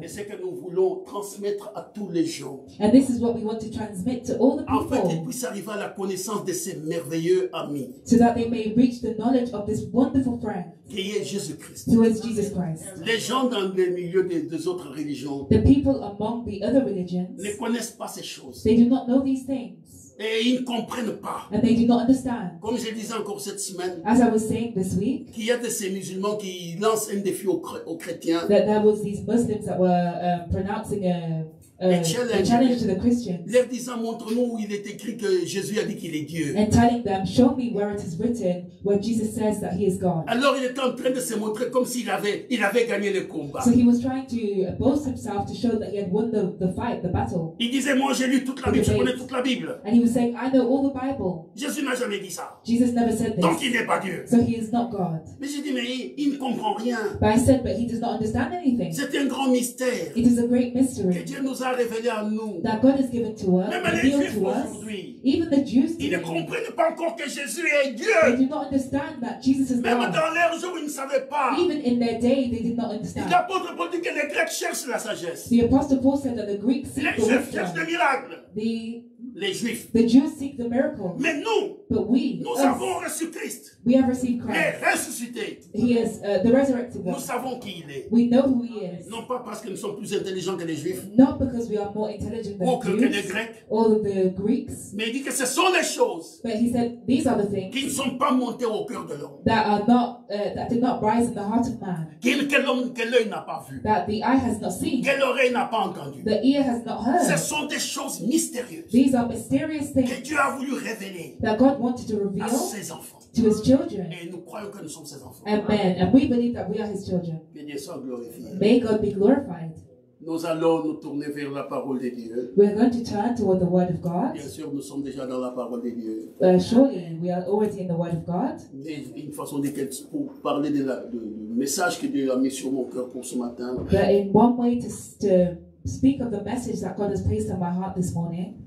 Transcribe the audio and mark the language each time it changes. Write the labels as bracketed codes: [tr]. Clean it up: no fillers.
[fr] Et ce que nous voulons transmettre à tous les gens. [en] And this is what we want to transmit to all the people. [fr] En fait, ils puissent arriver à la connaissance de ces merveilleux amis. [en] So that they may reach the knowledge of this wonderful friend. [fr] Qui est Jésus Christ. [en] Who is Jesus Christ. [fr] Les gens dans les milieux des autres religions. [en] The people among the other religions. [fr] Ne connaissent pas ces choses. [en] They do not know these things. [fr] Et ils ne comprennent pas. [en] And they do not understand. [fr] Comme je disais encore cette semaine. [en] As I was saying this week. [fr] Qu'il y a de ces musulmans qui lancent un défi aux chrétiens. [en] That there was these Muslims that were pronouncing a challenge to the Christians. [fr] Leur disant, montre-nous où il est écrit que Jésus a dit qu'il est Dieu. [en] And telling them, show me where it is written where Jesus says that he is God. [fr] Alors il était en train de se montrer comme s'il avait gagné le combat. [en] So he was trying to boast himself to show that he had won the fight, the battle. [fr] Il disait, moi j'ai lu toute la Bible, je connais toute la Bible. [en] And he was saying, I know all the Bible. [fr] Jésus n'a jamais dit ça. [en] Jesus never said this. [fr] Donc il n'est pas Dieu. [en] So he is not God. [fr] Mais j'ai dit, mais il ne comprend rien. [en] But I said, but he does not understand anything. [fr] C'est un grand mystère. [en] It is a great mystery. [fr] Que Dieu nous a révélé à nous. [en] That God has given to us. [fr] Même les Juifs aujourd'hui. [en] Even the Jews today, [fr] ils ne comprennent pas encore que Jésus est Dieu. [en] They do not understand that Jesus is [fr] même [en] God. [fr] Dans leurs jours, ils ne savaient pas. [en] Even in their day, they did not understand. [fr] L'apôtre Paul dit que les Grecs cherchent la sagesse. [en] The apostle Paul said that the Greeks seek [fr] les [en] the [fr] Juifs cherchent des miracles. Les Juifs. [en] The Jews seek the miracles. [fr] Mais nous. [en] But we. [fr] Nous avons reçu Christ. [en] We have received Christ. [fr] Et ressuscité. [en] He is the resurrected one. [fr] Nous savons qui il est. [en] We know who he is. [fr] Non pas parce que nous sommes plus intelligents que les Juifs. [en] Not because we are more intelligent than the Jews. [fr] Que les Grecs. [en] Or the Greeks. [fr] Mais il dit que ce sont les choses. [en] But he said these are the things. [fr] Qui ne sont pas montées au cœur de l'homme. [en] That are not that did not rise in the heart of man. [fr] Que l'homme que l'œil n'a pas vu. [en] That the eye has not seen. [fr] Que l'oreille n'a pas entendu. [en] The ear has not heard. [fr] Ce sont des choses mystérieuses. [en] These are mysterious things. [fr] Que Dieu a voulu révéler. [en] That God wanted to reveal to his children. [fr] Et nous croyons que nous sommes ses enfants. [en] Amen. And we believe that we are his children. [fr] Que Dieu soit glorifié. [en] May God be glorified. [fr] Nous allons nous tourner vers la parole de Dieu. [en] We are going to turn toward the word of God. [fr] Bien sûr, nous sommes déjà dans la parole de Dieu. [en] Surely, we are already in the word of God. [fr] Mais une façon de pour parler du message que Dieu a mis sur mon cœur pour ce matin. [en] But in one way to speak of the message that God has placed on my heart this morning.